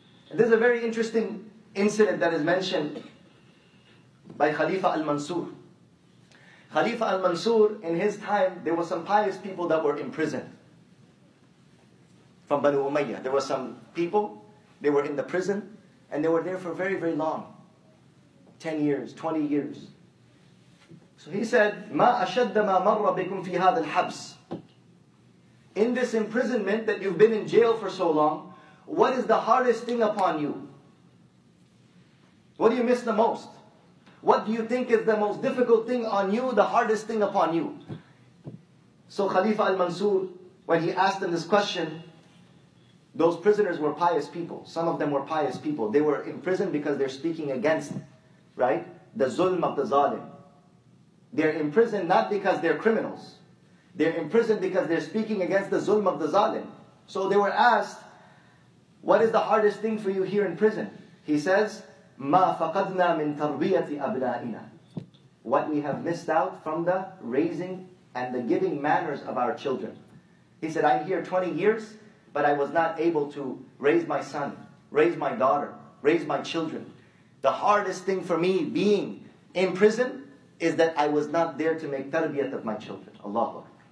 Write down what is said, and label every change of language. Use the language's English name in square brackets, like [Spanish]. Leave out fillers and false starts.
[English] And there's a very interesting incident that is mentioned by Khalifa al-Mansur. Khalifa al-Mansur, in his time, there were some pious people that were imprisoned from Banu Umayyah. There were some people, they were in the prison, and they were there for very, very long. 10 years, 20 years. So he said, [Arabic] مَا أَشَدَّ مَا مَرَّ بِكُمْ فِي هَذَا الْحَبْسِ. [English] In this imprisonment that you've been in jail for so long, what is the hardest thing upon you? What do you miss the most? What do you think is the most difficult thing on you, the hardest thing upon you? So Khalifa al-Mansur, when he asked him this question, those prisoners were pious people. Some of them were pious people. They were imprisoned because they're speaking against, right, the zulm of the zalim. They're imprisoned not because they're criminals. They're imprisoned because they're speaking against the zulm of the zalim. So they were asked, what is the hardest thing for you here in prison? He says, [Arabic] مَا فَقَدْنَا مِن تَرْبِيَةِ أَبْنَائِنَا. [English] What we have missed out from the raising and the giving manners of our children. He said, I'm here 20 years, but I was not able to raise my son, raise my daughter, raise my children. The hardest thing for me being in prison is that I was not there to make tarbiyat of my children. Allahu Akbar.